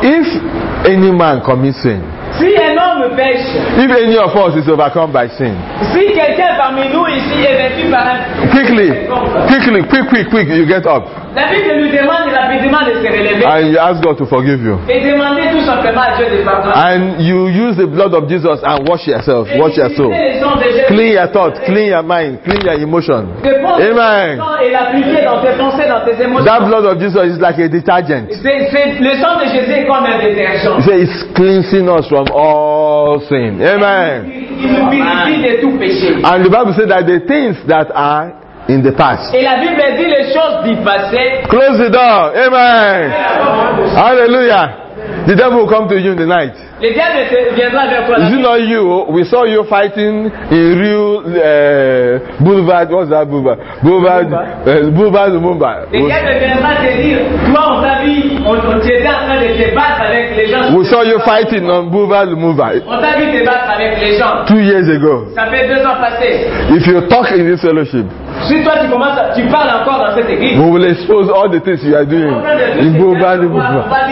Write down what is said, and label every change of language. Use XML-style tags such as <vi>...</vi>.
<en>if any man commits sin,</en> <fr>si un homme pêche,</fr> <en>if any of us is overcome by sin,</en> <fr>si quelqu'un parmi nous ici est vaincu par un,</fr> <en>quickly, you get up.</en> <fr>La Bible nous demande rapidement de se relever.</fr> <en>And you ask God to forgive you.</en> <fr>Et demander tout simplement à Dieu de pardonner.</fr> <en>And you use the blood of Jesus and wash yourself,</en> <fr>et</fr> <en>wash your soul. Clean your thoughts, clean your mind, clean your emotion. Amen.</en> <fr>Et l'appliquer dans tes pensées, dans tes émotions.</fr> <en>That blood of Jesus is like a detergent.</en> <fr>C'est le sang de Jésus comme un détergent.</fr> <en>Say it's cleansing us from all sin. Amen.</en> <fr>Il nous purifie de tout péché.</fr> <en>And the Bible says that the things that are in the past.</en> <fr>Et la Bible dit les choses du passé.</fr> <en>Close the door. Amen. Hallelujah. The devil will come to you in the night.</en> <fr>Le diable viendra vers toi.</fr> <en>Is it not you? We saw you fighting in Rio Boulevard. What's that boulevard?</en> <fr>Boulevard de Mumba. Le diable viendra te dire, toi, on t'a vu, on t'était en train de te battre avec les gens.</fr> <en>We saw you fighting on Boulevard de Mumba.</en> <fr>On t'a vu te battre avec les gens.</fr> <en>2 years ago.</en> <fr>Ça fait 2 ans passé.</fr> <en>If you talk in this fellowship,</en> <fr>si toi tu commences, tu parles encore dans cette église.</fr> <en>We will expose all the things you are doing in Boulevard de Mumba.</en>